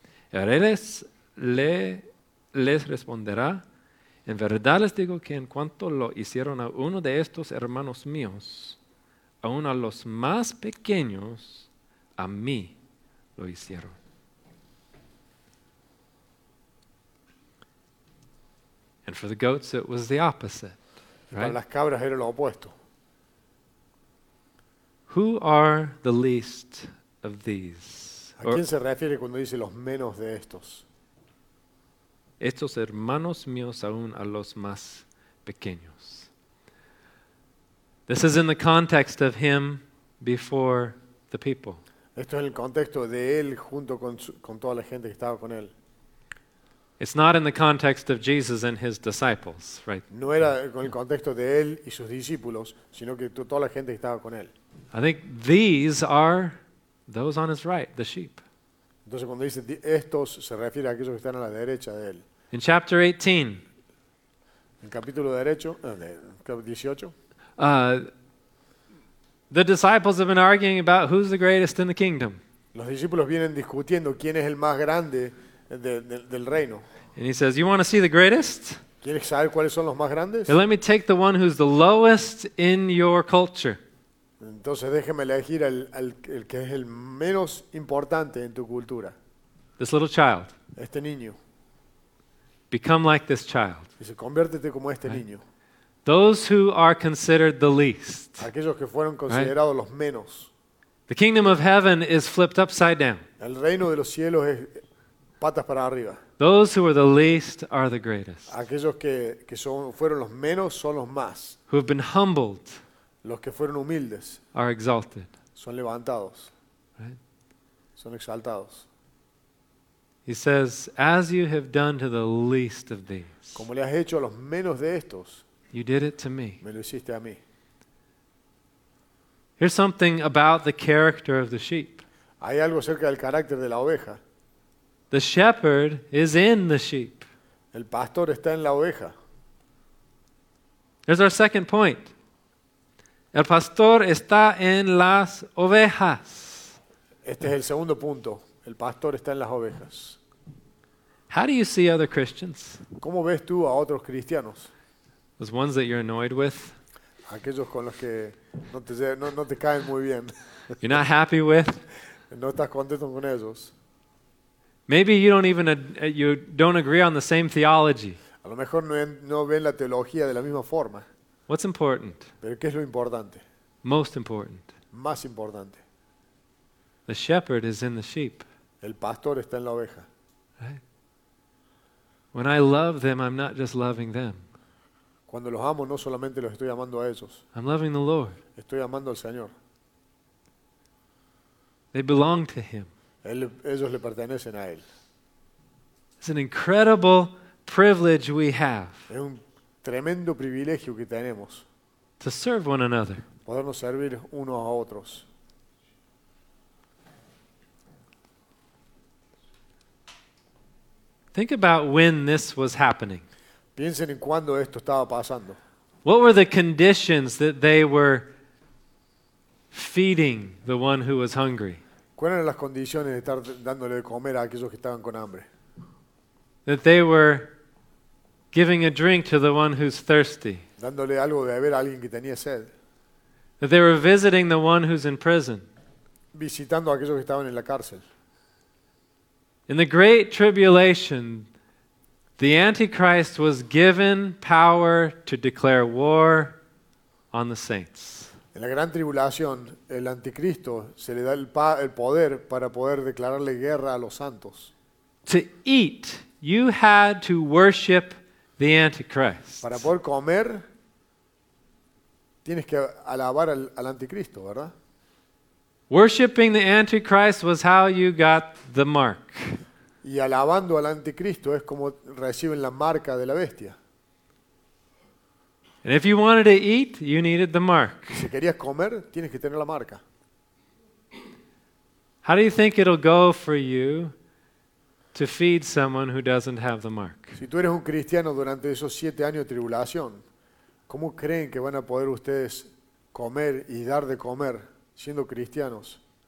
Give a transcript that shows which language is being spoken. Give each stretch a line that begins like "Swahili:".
Spanish: Él les responderá, en verdad les digo que en cuanto lo hicieron a uno de estos hermanos míos, aun a los más pequeños, a mí lo hicieron.
English: And for the goats it was the opposite. Right?
Spanish: Para las cabras era lo opuesto.
English: Who are the least of these?
Spanish: ¿A quién se refiere cuando dice los menos de estos? Estos hermanos míos aún a los más pequeños.
English: This is in the context of him before the people.
Spanish: Esto es en el contexto de él junto con toda la gente que estaba con él.
English: It's not in the context of Jesus and his disciples, right?
Spanish: No era con el contexto de él y sus discípulos, sino que toda la gente que estaba con él.
English: I think these are those on his right, the sheep.
Spanish: Entonces cuando dice estos se refiere a aquellos que están a la derecha de él.
English: In chapter 18.
Spanish: En capítulo derecho, capítulo 18.
English: The disciples have been arguing about who's the greatest in the kingdom.
Spanish: Los discípulos vienen discutiendo quién es el más grande del reino.
English: And he says, "You want to see the greatest?
Spanish: ¿Quieres saber cuáles son los más grandes?
English: And let me take the one who's the lowest in your culture."
Spanish: Entonces déjeme elegir el que es el menos importante en tu cultura.
English: This little child.
Spanish: Este niño.
English: Become like this child.
Spanish: Dice, conviértete como este niño.
English: Those who are considered the least.
Spanish: Aquellos que fueron considerados los menos.
English: The kingdom of heaven is flipped upside down.
Spanish: El reino de los cielos es patas para arriba.
English: Those who are the least are the greatest.
Spanish: Aquellos que son fueron los menos son los más.
English: Who have been humbled.
Spanish: Los que fueron humildes are exalted. Son levantados.
English: Right?
Spanish: Son exaltados.
English: He says, as you have done to the least of these.
Spanish: Como le has hecho a los menos de estos.
English: You did it to me.
Spanish: Me lo hiciste a mí.
English: Here's something about the character of the sheep.
Spanish: Hay algo acerca del carácter de la oveja.
English: The shepherd is in the sheep.
Spanish: El pastor está en la oveja.
English: There's our second point.
Spanish: El pastor está en las ovejas. Este es el segundo punto. El pastor está en las ovejas.
English: How do you see other Christians?
Spanish: ¿Cómo ves tú a otros cristianos?
English: Those ones that you're annoyed with.
Spanish: Aquellos con los que no te caen muy bien.
English: You're not happy with.
Spanish: No estás contento con ellos.
English: Maybe you don't agree on the same theology.
Spanish: A lo mejor no ven la teología de la misma forma.
English: What's important?
Spanish: ¿Pero qué es lo importante?
English: Most important.
Spanish: Más importante.
English: The shepherd is in the sheep.
Spanish: El pastor está en la oveja.
English: When I love them, I'm not just loving them.
Spanish: Cuando los amo, no solamente los estoy amando a ellos.
English: I'm loving the Lord.
Spanish: Estoy amando al Señor.
English: They belong to Him.
Spanish: Ellos le pertenecen a Él.
English: It's an incredible privilege we have.
Spanish: Es un tremendo privilegio que tenemos.
English: To serve one another.
Spanish: Podernos servir unos a otros.
English: Think about when this was happening.
Spanish: Piensen en cuando esto estaba pasando.
English: What were the conditions that they were feeding the one who was hungry?
Spanish: ¿Cuáles eran las condiciones de estar dándole de comer a aquellos que estaban con hambre?
English: That they were giving a drink to the one who's thirsty.
Spanish: Dándole algo de beber a alguien que tenía sed.
English: That they were visiting the one who's in prison.
Spanish: Visitando a aquellos que estaban en la cárcel.
English: In the great tribulation, the Antichrist was given power to declare war on the saints.
Spanish: En la gran tribulación, el anticristo se le da el poder para poder declararle guerra a los santos.
English: To eat, you had to worship the Antichrist.
Spanish: Para poder comer, tienes que alabar al anticristo, ¿verdad?
English: Worshipping the Antichrist was how you got the mark.
Spanish: Y alabando al anticristo es como reciben la marca de la bestia.
English: And if you wanted to eat, you needed the mark.
Spanish: Si querías comer, tienes que tener la marca.
English: How do you think it'll go for you to feed someone who doesn't have the mark?
Spanish: Si tú eres un cristiano durante esos 7 años de tribulación, ¿cómo creen que van a poder ustedes comer y dar de comer siendo cristianos?